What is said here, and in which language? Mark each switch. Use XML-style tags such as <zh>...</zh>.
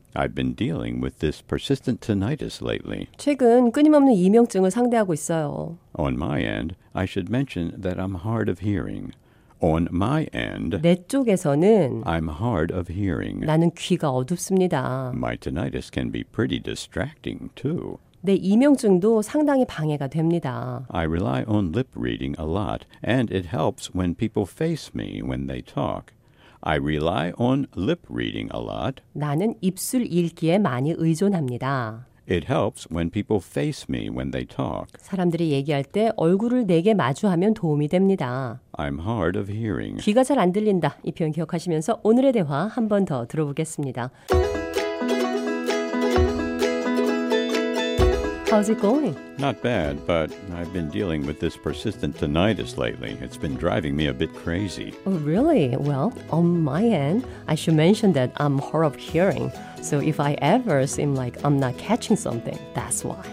<en>I've been dealing with this persistent tinnitus lately.</en> <ko>최근 끊임없는 이명증을 상대하고 있어요.</ko> <en>On my end, I should mention that I'm hard of hearing. On my end,</en> <ko>내 쪽에서는</ko> <en>I'm hard of hearing.</en> <ko>나는 귀가 어둡습니다.</ko> <en>My tinnitus can be pretty distracting too.</en> <ko>내 이명증도 상당히 방해가 됩니다.</ko> <en>I rely on lip reading a lot, and it helps when people face me when they talk. I rely on lip reading a lot.</en> <ko>나는 입술 읽기에 많이 의존합니다.</ko> <en>It helps when people face me when they talk.</en> <ko>사람들이 얘기할 때 얼굴을 내게 마주하면 도움이 됩니다.</ko> <en>I'm hard of hearing.</en> <ko>귀가 잘 안 들린다. 이 표현 기억하시면서 오늘의 대화 한 번 더 들어보겠습니다.</ko> <en>How's it going? Not bad, but I've been dealing with this persistent tinnitus lately. It's been driving me a bit crazy. Oh, really? Well, on my end, I should mention that I'm hard of hearing. So if I ever seem like I'm not catching something, that's why.</en>